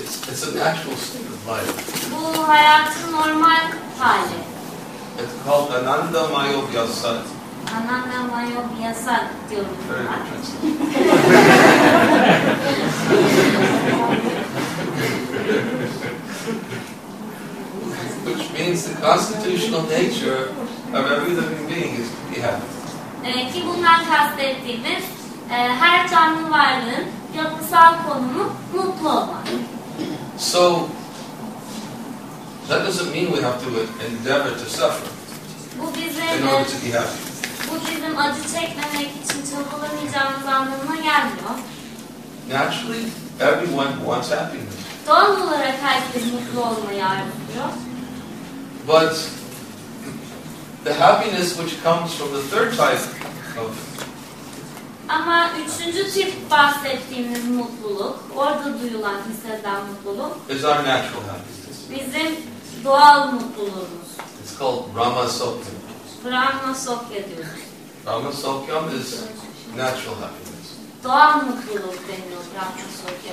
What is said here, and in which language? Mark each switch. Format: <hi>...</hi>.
<en>It's a natural state of life.</en> <tr>Bu hayatın normal hali.</tr> <en>It's called ananda mayobya sat.</en> <tr>Ananda mayobya sat diyorum.</tr> <en>Very good. Which means the constitutional nature of every living being is to be happy.</en> <tr>Ki bundan kastettiğimiz her canlı varlığın yapısal konumu mutlu olmak.</tr> <en>So that doesn't mean we have to endeavor to suffer in order to be happy.</en> <tr>Bu bizim acı çekmemek için çabalamayacağımız anlamına gelmiyor.</tr> <en>Naturally, everyone wants happiness.</en> <tr>Doğal olarak herkes mutlu olmayı arzuluyor.</tr> <en>But the happiness which comes from the third type of...</en> <tr>Ama üçüncü tip bahsettiğimiz mutluluk, orada duyulan hisseden mutluluk...</tr> <en>Is our natural happiness.</en> <tr>Bizim doğal mutluluğumuz.</tr> <en>It's called Brahma-sokya.</en> <tr>Brahma-sokya diyoruz.</tr> <en>Brahma-sokya is natural happiness.</en> <tr>Doğal mutluluk deniyor Brahma-sokya</tr>